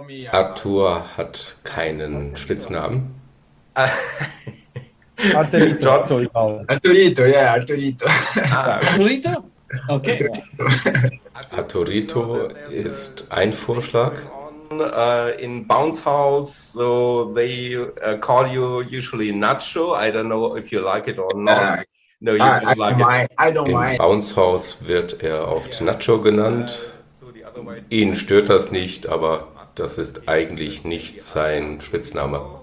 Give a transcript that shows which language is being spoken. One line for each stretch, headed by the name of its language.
German: Arthur hat keinen Spitznamen. Arturito, ja, Arturito. Arturito? Okay. Arturito ist ein Vorschlag.
English: In Bounce House, so they call you usually Nacho. I don't know if you like it or not. No, you don't like it. I don't mind.
German: In Bounce House wird er oft Nacho genannt. Ihn stört das nicht, aber das ist eigentlich nicht sein Spitzname.